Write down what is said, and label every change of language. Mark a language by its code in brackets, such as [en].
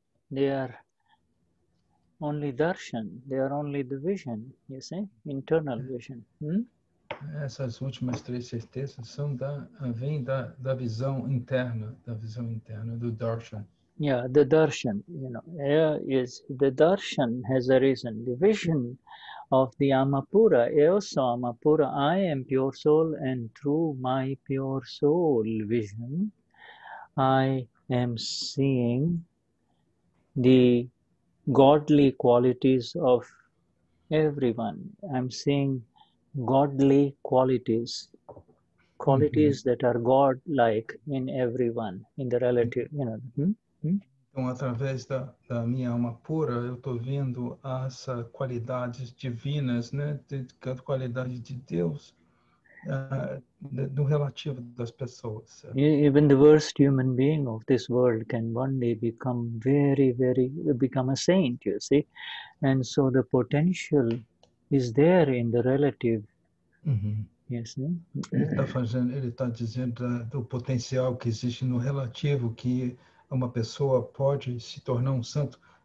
[en] They are only darshan, they are only the vision, you see, internal vision. [pt] Essas últimas três certezas são vêm da visão interna, da visão interna, do darshan. [en] Yeah, the darshan, you know, is the darshan has arisen. The vision of the Amapura, [pt] eu sou Amapura, [en] I am pure soul, and through my pure soul vision, I am seeing the godly qualities of everyone. I'm seeing godly qualities, qualities that are God-like in everyone, in the relative, you know. [pt] Então, através da minha alma pura, eu tô vendo as qualidades divinas, né? A qualidade de Deus, no relativo das pessoas. [en] Even the worst human being of this world can one day become very, very, become a saint, you see. And so the potential is there in the relative. Yes, né? [pt] Ele tá dizendo do potencial que existe no relativo, que uma pessoa pode se tornar um santo.